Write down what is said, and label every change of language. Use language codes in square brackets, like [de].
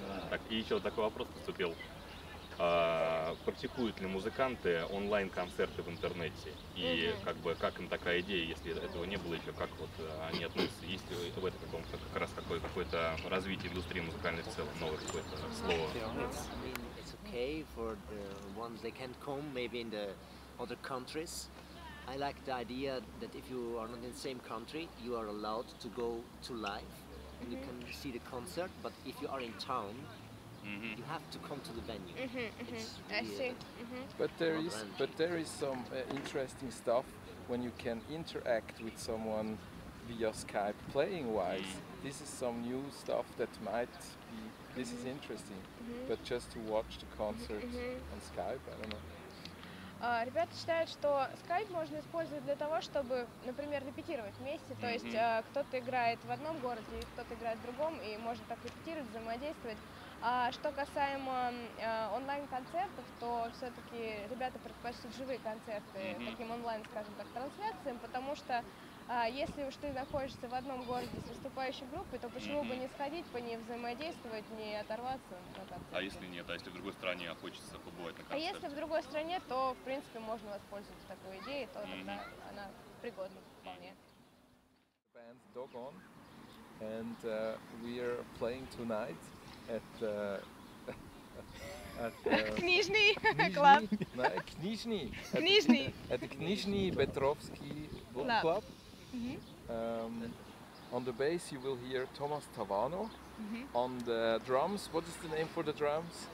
[ru] Так, и еще такой вопрос поступил. Практикуют ли музыканты онлайн-концерты в интернете? И как им такая идея, если этого не было еще, как вот они относятся? Есть ли в этом каком-то как раз какое-то развитие индустрии музыкальной в целом, новое какое-то слово? [en] It's okay for the ones they can't come, maybe in the other countries. I like the idea that if you are not in the same country, you are allowed to go to live and you can see the concert, but if you are in town, mm-hmm. You have to come to the venue. Mm-hmm, mm-hmm. I see. Mm-hmm. But there is some interesting stuff when you can interact with someone via Skype playing wise. Mm-hmm. This is some new stuff that might be. This mm-hmm. is interesting. Mm-hmm. But just to watch the concert mm-hmm. on Skype, I don't know. [ru] Ребята считают, что скайп можно использовать для того, чтобы, например, репетировать вместе, то есть кто-то играет в одном городе, кто-то играет в другом, и можно так репетировать, взаимодействовать. А что касаемо онлайн-концертов, то все-таки ребята предпочтут живые концерты таким онлайн, скажем так, трансляциям, потому что если уж ты находишься в одном городе с выступающей группой, то почему бы не сходить, по ней взаимодействовать, не оторваться на концерте? А если нет, а если в другой стране хочется побывать на концерте? А если в другой стране, то, в принципе, можно воспользоваться такой идеей, то тогда она пригодна вполне. [en] Band Dog On, and we are playing tonight at... [ru] Книжный клуб. Книжный. Книжный. Это Книжный Петровский клуб. Mm-hmm. [en] On the bass you will hear Thomas Tavano. Mm-hmm. On the drums, what is the name for the drums?